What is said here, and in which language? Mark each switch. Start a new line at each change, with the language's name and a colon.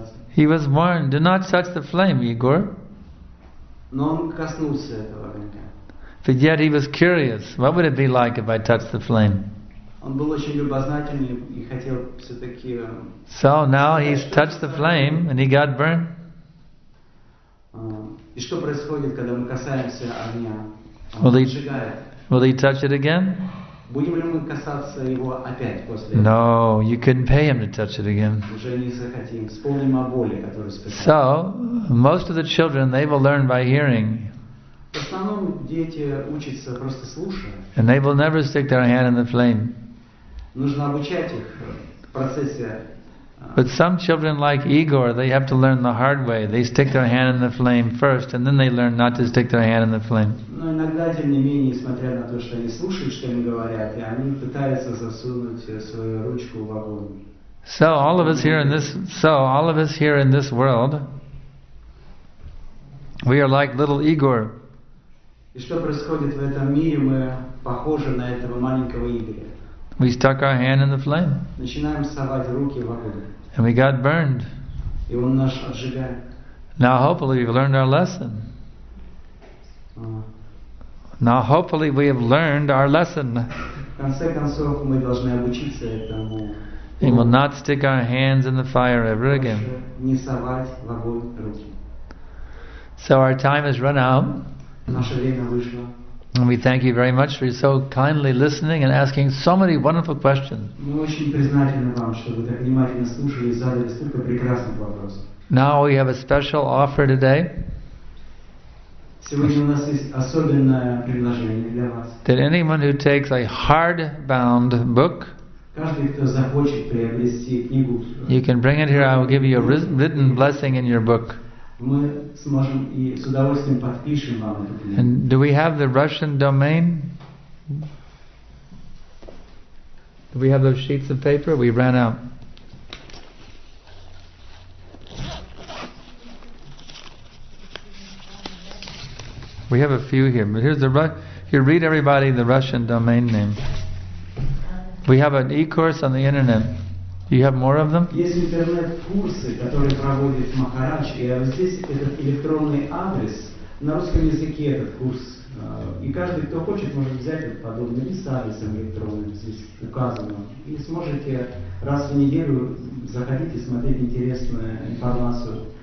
English: He was warned, do not touch the flame, Igor.
Russian: Но он коснулся этого огня.
English: But yet he was curious, what would it be like if I touched the flame?
Russian: Он был очень любознательный и хотел все-таки...
English: So now he's touched the flame and he got burned.
Russian: И что происходит, когда мы касаемся огня?
English: Will he touch it again?
Russian: Будем ли мы касаться его опять после?
English: No, you couldn't pay him to touch it again.
Russian: Уже не захотим. Вспомним о боли, которую испытали.
English: So, most of the children, they will learn by hearing.
Russian: В основном дети учатся просто слушая.
English: And they will never stick their hand in the flame.
Russian: Нужно обучать их в процессе.
English: But some children like Igor, they have to learn the hard way. They stick their hand in the flame first, and then they learn not to stick their hand in the flame.
Russian: Но иногда, тем не менее, несмотря на то, что они слушают, что им говорят, и они пытаются засунуть свою ручку в огонь.
English: So all of us here in this world, we are like little Igor.
Russian: И что происходит в этом мире, мы похожи на этого маленького Игоря.
English: We stuck our hand in the flame.
Russian: Начинаем совать руки в огонь.
English: And we got burned.
Russian: И он нас обжигает.
English: Now hopefully we've learned our lesson. Now hopefully we have learned our lesson.
Russian: В конце концов мы должны обучиться этому.
English: And we'll not stick our hands in the fire ever again.
Russian: Не совать в огонь руки.
English: So our time has run out.
Russian: Наше время вышло.
English: And we thank you very much for so kindly listening and asking so many wonderful questions.
Russian: Мы очень признательны вам, что вы так внимательно слушали и задали столько прекрасных вопросов.
English: Now we have a special offer today.
Russian: Сегодня у нас есть особенное предложение для вас.
English: That anyone who takes a hardbound book,
Russian: каждый, кто захочет приобрести книгу,
English: you can bring it here. I will give you a written blessing in your book.
Russian: Мы сможем и с удовольствием подпишем вам эту книгу.
English: And do we have the Russian domain? Do we have those sheets of paper? We ran out. We have a few here, but here's the here. Read everybody the Russian domain name. We have an e-course on the internet. Do you have more of them?
Russian: Есть интернет-курсы, которые проводит Махарадж, и вот здесь этот электронный адрес на русском языке этот курс. И каждый, кто хочет, может взять этот подобный лист с адресом электронным здесь указанным, и сможете раз в неделю заходить и смотреть интересную информацию.